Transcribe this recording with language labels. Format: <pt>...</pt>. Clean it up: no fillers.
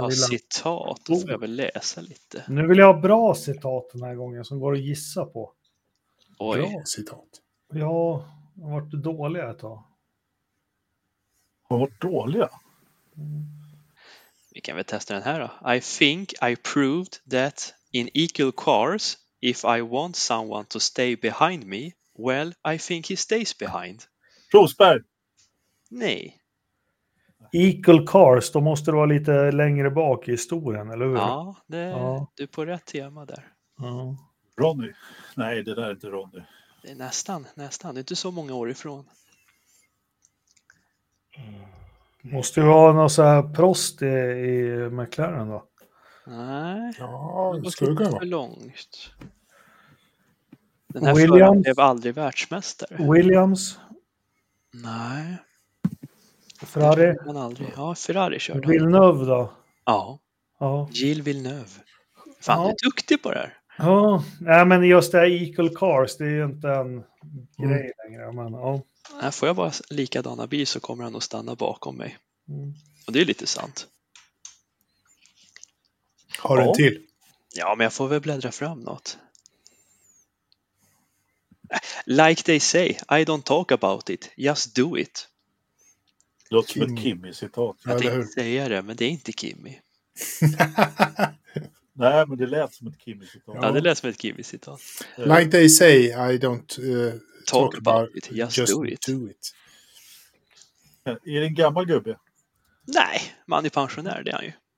<sv>Vill ni ha citat? Då får jag väl läsa lite. Nu vill jag ha bra citat den här gången som går att gissa på. Oj. Bra citat. Ja, har varit dåliga ett tag. Har varit dåliga? Mm. Vi kan väl testa den här då.</sv> <en>I think I proved that in equal cars, if I want someone to stay behind me, well, I think he stays behind.</en> <sv>Rosberg! Nej. Equal cars, då måste det vara lite längre bak i historien, eller hur? Ja, det är, ja. Du är på rätt tema där. Ja. Ronny? Nej, det där är inte Ronny. Det är nästan. Det är inte så många år ifrån. Måste du ha någon så här Prost i McLaren då? Nej. Ja, det skulle kunna vara. För långt. Den här Williams. Föran blev aldrig världsmästare. Williams? Nej. Ferrari? Han aldrig. Ja, Ferrari körde. Villeneuve då? Ja. Ja. Gilles Villeneuve. Fan, ja. Du är duktig på det här. Ja, nej, men just det här Equal Cars, det är ju inte en grej längre. Men, ja. Nej, får jag bara likadana bil så kommer han att stanna bakom mig. Mm. Och det är lite sant. Har du en till? Ja, men jag får väl bläddra fram något.</sv> <en>Like they say, I don't talk about it, just do it.</en> <sv>Låter som ett Kimmy-citat. Jag tänkte säga det, men det är inte Kimmy. Nej, men det lät som ett Kimmy-citat. Ja, det lät som ett Kimmy-citat.</sv> <en>Like they say, I don't talk about it, just do it.</en> <sv>Är det en gammal gubbe? Nej, man är pensionär, det är han ju.</sv>